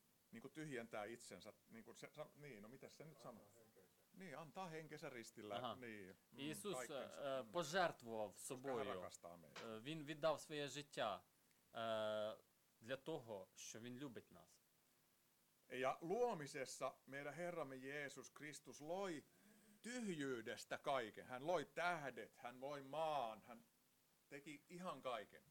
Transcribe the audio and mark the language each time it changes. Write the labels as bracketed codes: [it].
[fi] niinku tyhjentää itsensä niinku se niin no mitä se nyt sanoo? Niin antaa henkensä ristillä. Aha. Niin. [uk] Isus пожертвував собою. Він віддав своє життя для того, що він любить нас. [fi] Ja luomisessa meidän Herramme Jeesus Kristus loi tyhjyydestä kaiken. Hän loi tähdet, hän loi maan, hän teki ihan kaiken.